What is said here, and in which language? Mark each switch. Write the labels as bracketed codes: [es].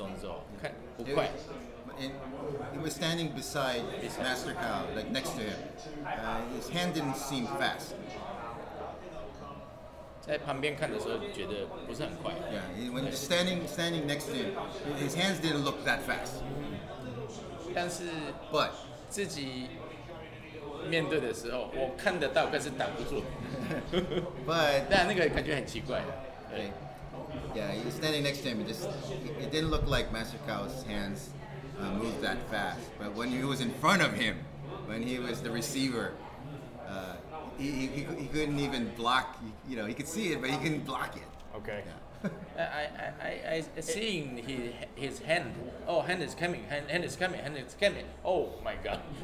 [zh] 我在旁边看老师的动作，看不快。 [en] He was standing beside Master Cao, like next to him. His hand didn't seem fast. [zh] 在旁边看的时候，觉得不是很快。Yeah, [en] when standing next to him, his hands didn't look that fast. [zh] 但是，but 自己面对的时候，我看得到，但是挡不住。But 但那个感觉很奇怪。Yeah, [en] he was standing next to him. It didn't look like Master Cao's hands move that fast, but when he was in front of him, when he was the receiver, he couldn't even block. You know, he could see it, but he couldn't block it. Okay. Yeah. I seeing his hand. Oh, hand is coming. Hand is coming. Hand is coming. Oh my God.